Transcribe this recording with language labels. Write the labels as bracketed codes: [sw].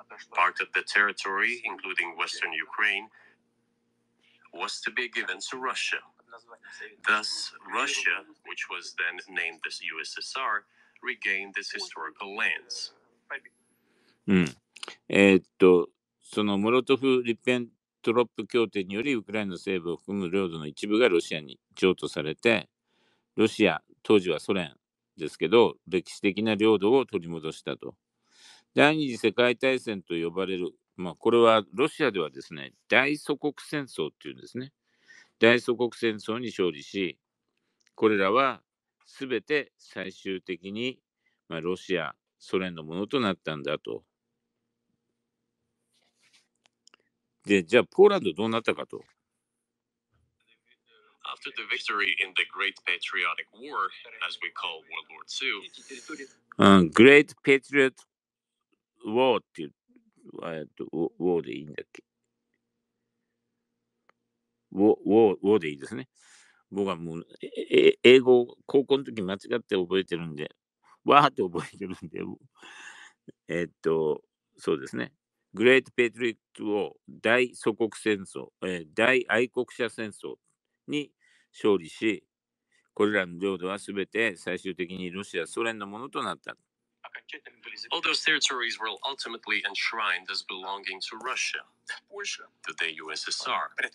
[en] Part of the territory, including Western Ukraine, was to be given to Russia. Thus, Russia, which was then named the USSR, regained its historical lands. [ja] そのモロトフ・リペントロップ協定により、ウクライナ西部を含む領土の一部がロシアに譲渡されて、ロシア、当時はソ連ですけど、歴史的な領土を取り戻したと。第二次世界大戦と呼ばれる、まあ、これはロシアではですね、大祖国戦争っていうんですね。大祖国戦争に勝利し、これらはすべて最終的に、まあ、ロシア、ソ連のものとなったんだと。で、じゃあポーランドどうなったかと。 [en] After the victory in the Great Patriotic War, as we call World War II, Great Patriot War [ja] っていう、War でいいんだっけ？ War でいいですね。僕はもう英語高校の時間違って覚えてるんで、わーって覚えてるんで、そうですね。 [en] Great Patriot War、 [ja] 大祖国戦争、大愛国者戦争に勝利し、これらの領土はすべて最終的にロシア、ソ連のものとなった。 [en] All those territories were ultimately enshrined as belonging to Russia, to the USSR.